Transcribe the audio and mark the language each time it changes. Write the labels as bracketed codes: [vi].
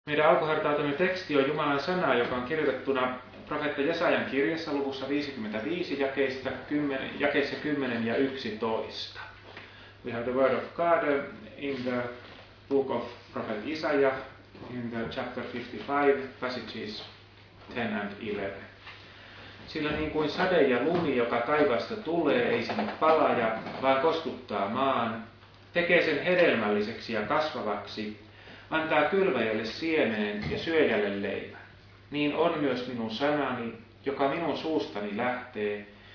[fi] Meidän alkuhartautuminen teksti on Jumalan sanaa, joka on kirjoitettuna profeetta Jesajan kirjassa luvussa 55, jakeissa 10 ja 11. [en] We have the word of God in the book of prophet Isaiah in the chapter 55, passages 10 and 11. [fi] Sillä niin kuin sade ja lumi, joka taivaasta tulee, ei sinne palaa, vaan kostuttaa maan, tekee sen hedelmälliseksi ja kasvavaksi, antaa kylväjälle siemenen ja syöjälle leivän. Niin on myös minun sanani, joka minun suustani lähtee.